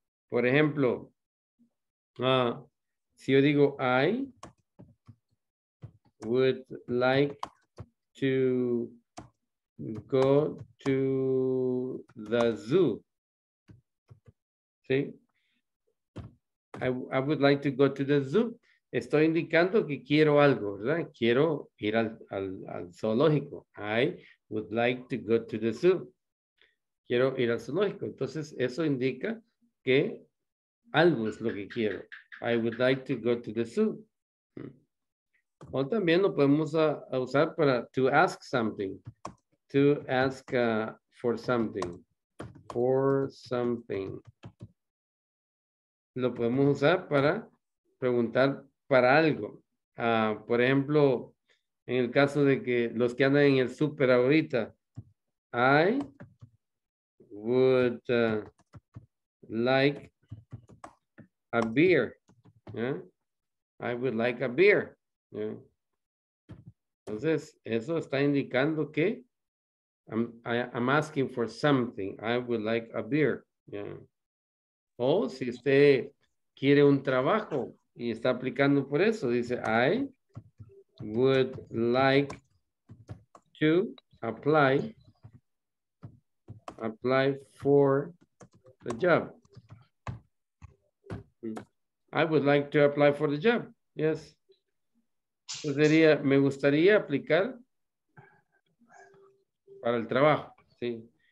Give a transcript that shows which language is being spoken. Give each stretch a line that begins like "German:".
Spanish: Por ejemplo, si yo digo
English: I would like to go to the zoo.
Spanish: ¿Sí?
English: I would like to go to the zoo.
Spanish: Estoy indicando que quiero algo, ¿verdad? Quiero ir al zoológico.
English: I would like to go to the zoo.
Spanish: Quiero ir al zoológico. Entonces, eso indica que algo es lo que quiero.
English: I would like to go to the zoo.
Spanish: O también lo podemos usar para
English: to ask something. To ask for something. For something.
Spanish: Lo podemos usar para preguntar para algo. Por ejemplo, en el caso de que los que andan en el súper ahorita,
English: I would like a beer. Yeah? I would like a beer. Yeah?
Spanish: Entonces, eso está indicando que
English: I'm asking for something. I would like a beer. Yeah?
Spanish: O si usted quiere un trabajo y está aplicando por eso.
English: Dice, I would like to apply for the job. I would like to apply for the job. Yes.
Spanish: Sería, me gustaría aplicar para el trabajo.
English: Sí.